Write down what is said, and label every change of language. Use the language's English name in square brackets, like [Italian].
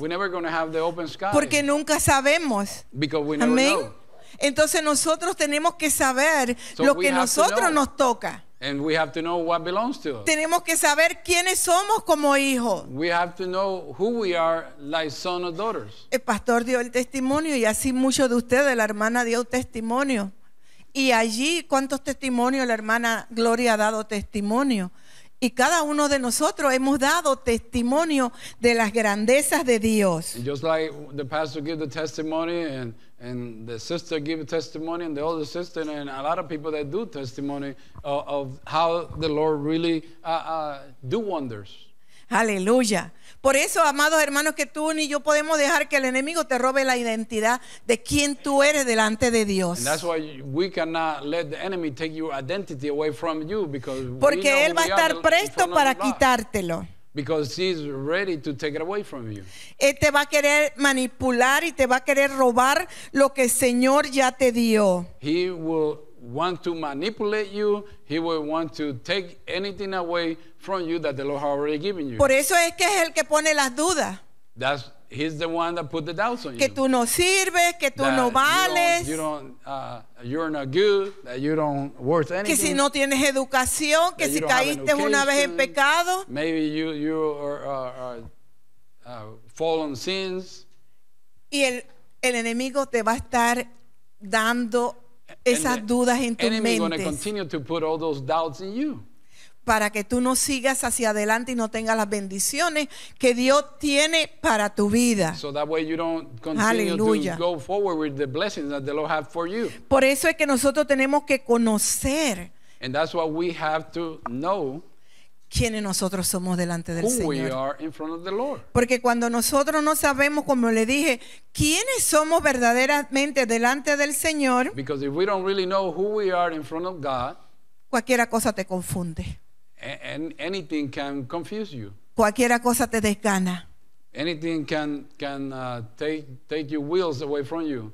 [English] we're never gonna have the open sky, [Spanish] porque nunca sabemos. [English] Because we never Amén. Know. [Spanish] Entonces nosotros tenemos que saber [English] so [Spanish] lo que nosotros nos toca. [English] And we have to know what belongs to us. [Spanish] Tenemos que saber quiénes somos como hijos. [English] We have to know who we are like sons or daughters. [Spanish] El pastor dio el testimonio, y así muchos de ustedes, la hermana dio testimonio. Y allí, ¿cuántos testimonios la hermana Gloria ha dado testimonio? Y cada uno de nosotros hemos dado testimonio de las grandezas de Dios. [English] Just like the pastor gave the testimony and the sister gave a testimony and the older sister and a lot of people that do testimony of how the Lord really do wonders. [Spanish] Aleluya. Por eso, amados hermanos, que tú ni yo podemos dejar que el enemigo te robe la identidad de quién tú eres delante de Dios. [English] And that's why we cannot let the enemy take your identity away from you, because [Spanish] porque [English] we [Spanish] él va a estar presto para quitártelo. [English] Because he's ready to take it away from you. [Spanish] Él te va a querer manipular y te va a querer robar lo que el Señor ya te dio. [English] He will want to manipulate you. He will want to take anything away from you that the Lord has already given you. [Spanish] Por eso es que es el que pone las dudas. [English] That's he's the one that put the doubts on you. [Spanish] Que tú no sirves, que tú [English] that [Spanish] no vales. [English] You're not good. That you don't worth anything. [Spanish] Que si no tienes educación, que si caíste una vez en pecado. [English] Maybe you are fallen sins. [Spanish] Y el enemigo te va a estar dando esas dudas en tu mente. [English] Going to continue to put all those doubts in you. [Spanish] Para que tú no sigas hacia adelante y no tengas las bendiciones que Dios tiene para tu vida. [English] So that way you don't continue [Spanish] Aleluya. [English] To go forward with the blessings that the Lord has for you. [Spanish] Por eso es que nosotros tenemos que conocer. [English] And that's what we have to know. [Spanish] Quiénes nosotros somos delante del [English] Who [Spanish] Señor. [English] We are in front of the Lord. [Spanish] Porque cuando nosotros no sabemos, como le dije, quiénes somos verdaderamente delante del Señor, [English] because if we don't really know who we are in front of God, [Spanish] cualquiera cosa te confunde. [English] And anything can confuse you. [Spanish] Cualquiera cosa te desgana. [English] Anything can take your wheels away from you.